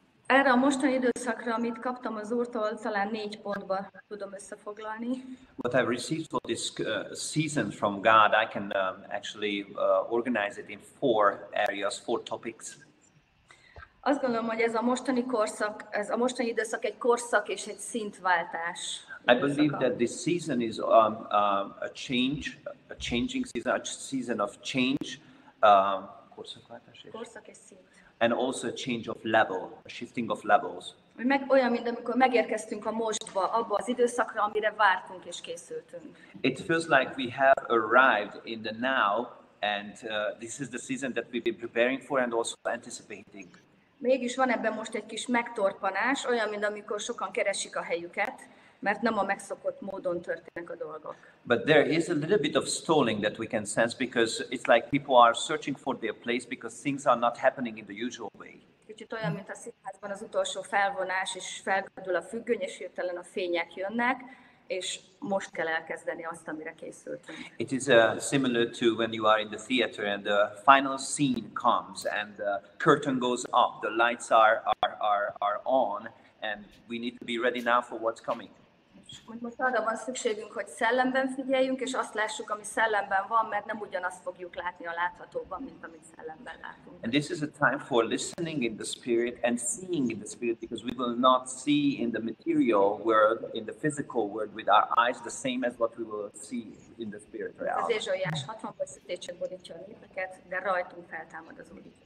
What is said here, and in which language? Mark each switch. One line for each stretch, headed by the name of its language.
Hungarian: Erre a mostani időszakra, amit kaptam az Úrtól, talán 4 pontba tudom összefoglalni.
English: What I've received for this season from God, I can actually organize it in 4 areas, 4 topics.
Hungarian: Azt gondolom, hogy ez a mostani korszak, ez a mostani időszak egy korszak és egy szintváltás.
English: I believe that this season is a change, a changing season, a season of change, korszakváltás.
Hungarian: Korszak és szint.
English: And also a change of level, a shifting of levels.
Hungarian: Olyan, mint amikor megérkeztünk a mostba, abba az időszakra, amire vártunk és készültünk.
English: It feels like we have arrived in the now, and this is the season that we've been preparing for and also anticipating.
Hungarian: Mégis van ebben most egy kis megtorpanás, olyan, mint amikor sokan keresik a helyüket, mert nem a megszokott módon történnek a dolgok.
English: But there is a little bit of stalling that we can sense because it's like people are searching for their place because things are not happening in the usual way.
Hungarian: Kicsit olyan, mint a színházban az utolsó felvonás, és felgördül a függöny, és hirtelen a fények jönnek, és most kell elkezdeni azt, amire készültünk.
English: It is similar to when you are in the theater and the final scene comes and the curtain goes up, the lights are on, and we need to be ready now for what's coming.
Hungarian: Most arra van szükségünk, hogy szellemben figyeljünk, és azt lássuk, ami szellemben van, mert nem ugyanazt fogjuk látni a láthatóban, mint amit szellemben látunk.
English: And this is a time for listening in the spirit and seeing in the spirit, because we will not see in the material world, in the physical world, with our eyes the same as what we will see in the spirit realm.
Hungarian: Az Ézsaiás 60-ban szükségek borítja a népeket, de rajtunk feltámad az Úr.